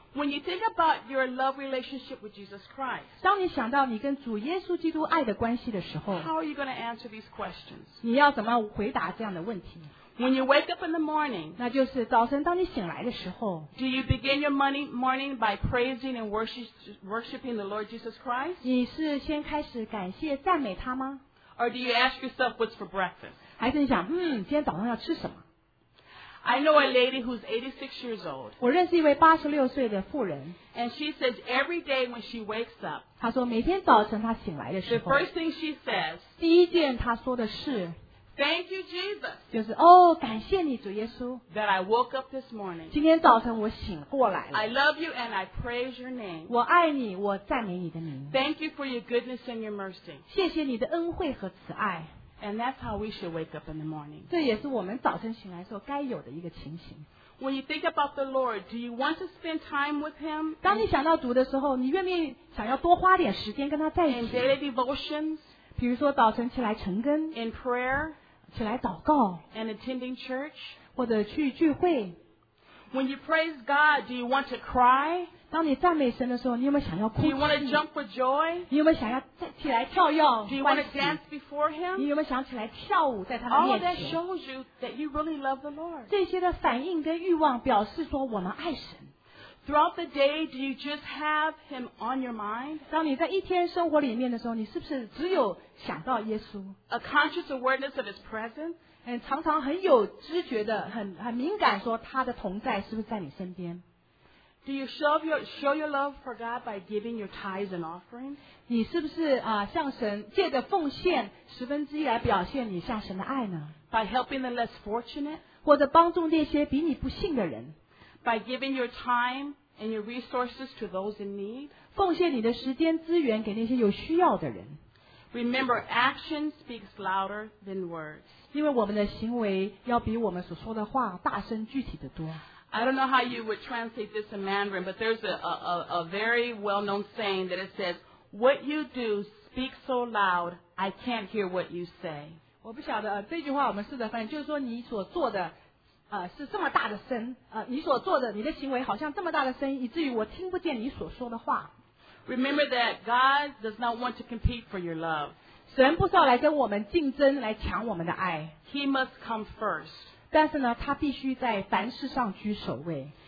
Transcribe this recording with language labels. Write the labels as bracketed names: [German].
[English] When you think about your love relationship with Jesus Christ, [Chinese] 当你想到你跟主耶稣基督爱的关系的时候， [English] how are you going to answer these questions? [Chinese] 你要怎么回答这样的问题？ [English] When you wake up in the morning, [Chinese] 那就是早晨当你醒来的时候， [English] do you begin your morning by praising and worshiping the Lord Jesus Christ? [Chinese] 你是先开始感谢赞美他吗？ [English] Or do you ask yourself what's for breakfast? [Chinese] 还是你想，今天早上要吃什么？ [English] I know a lady who's 86 years old. [Chinese] 我认识一位86岁的妇人。 [English] And she says every day when she wakes up. [Chinese] 她说每天早晨她醒来的时候。 [English] The first thing she says. [Chinese] 第一件她说的是。 [English] Thank you, Jesus. [Chinese] 就是感谢你主耶稣。 [English] That I woke up this morning. [Chinese] 今天早晨我醒过来了。 [English] I love you and I praise your name. [Chinese] 我爱你，我赞美你的名。 [English] Thank you for your goodness and your mercy. [Chinese] 谢谢你的恩惠和慈爱。 [English] And that's how we should wake up in the morning. [Chinese] 这也是我们早晨醒来时候该有的一个情形。 [English] When you think about the Lord, do you want to spend time with Him? [Chinese] 当你想到主的时候，你愿不愿意想要多花点时间跟他在一起 [English] ？In daily devotions, [Chinese] 比如说早晨起来晨更 [English] ，in prayer, [Chinese] 起来祷告 [English] ，and attending church, [Chinese] 或者去聚会。 [English] When you praise God, do you want to cry? [Chinese] 当你赞美神的时候，你有没有想要哭泣？ [English] Do you want to jump for joy? [Chinese] 你有没有想要起来跳跃？ [English] Do you want to dance before Him? [Chinese] 你有没有想起来跳舞在他面前？ [English] All that shows you that you really love the Lord. [Chinese] 这些的反应跟欲望表示说我们爱神。 [English] Throughout the day, do you just have Him on your mind? [Chinese] 当你在一天生活里面的时候，你是不是只有想到耶稣？ [English] A conscious awareness of His presence. [Chinese] 常常很有知觉的 很敏感说他的同在是不是在你身边 [English] Do you show your love for God by giving your tithes and offerings? [Chinese] 你是不是向神借着奉献十分之一来表现你向神的爱呢 [English] By helping the less fortunate? [Chinese] 或者帮助那些比你不幸的人 [English] By giving your time and your resources to those in need? [Chinese] 奉献你的时间资源给那些有需要的人 [English] Remember, action speaks louder than words. [Chinese] 因为我们的行为要比我们所说的话大声具体的多。 [English] I don't know how you would translate this in Mandarin, but there's a very well-known saying that it says, "What you do speaks so loud, I can't hear what you say." [Chinese] 我不晓得这句话我们试着翻译，就是说你所做的是这么大的声你所做的你的行为好像这么大的声音，以至于我听不见你所说的话。 [English] Remember that God does not want to compete for your love. [Chinese] 神不是要来跟我们竞争，来抢我们的爱。 [English] He must come first. [Chinese] 但是呢，他必须在凡事上居首位。